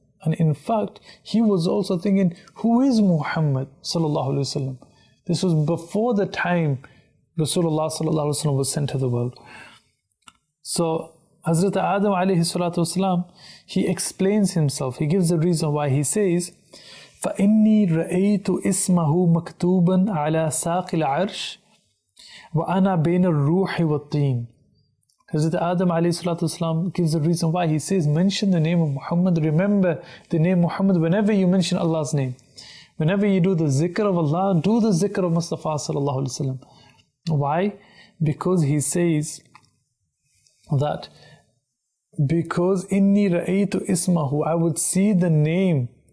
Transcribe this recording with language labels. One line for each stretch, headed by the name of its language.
English: And in fact, he was also thinking, who is Muhammad sallallahu alayhi wa sallam? This was before the time Rasulullah sallallahu alayhi wa sallam was sent to the world. So Hazrat Adam alayhi salatu wasalam, he explains himself, he gives the reason why.
Arabic: He says, فَإِنِّي رَأَيْتُ إِسْمَهُ مَكْتُوبًا عَلَى سَاقِ الْعَرْشِ وَأَنَا بَيْنَ الرُّوحِ وَالطِّينِ.
English: Hazrat Adam alayhi salatu wasalam gives the reason why. He says, mention the name of Muhammad. Remember the name Muhammad whenever you mention Allah's name. Whenever you do the zikr of Allah, do the zikr of Mustafa sallallahu alayhi wasalam. Why? Because he says that, because
Arabic: inni ra'aytu ismahu,
English: I would see the name.